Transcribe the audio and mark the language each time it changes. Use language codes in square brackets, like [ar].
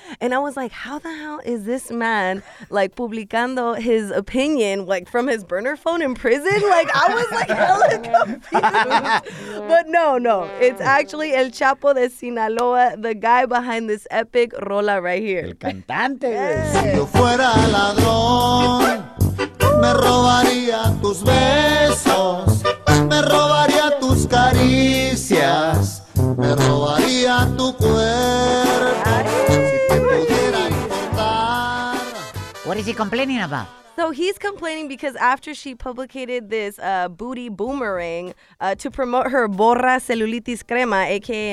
[en] And I was like, how the hell is this man like publicando his opinion like from his burner phone in prison? Like, I was like hella confused. But no. It's actually El Chapo de Sinaloa, the guy behind this epic rola right here. [es] El cantante. Si yo fuera ladrón. Me robaría tus besos, me robaría tus caricias, me robaría tu cuerpo, si te pudiera importar. [en] What is he complaining about? So he's complaining because after she publicated this booty boomerang to promote her Borra Cellulitis Crema, a.k.a.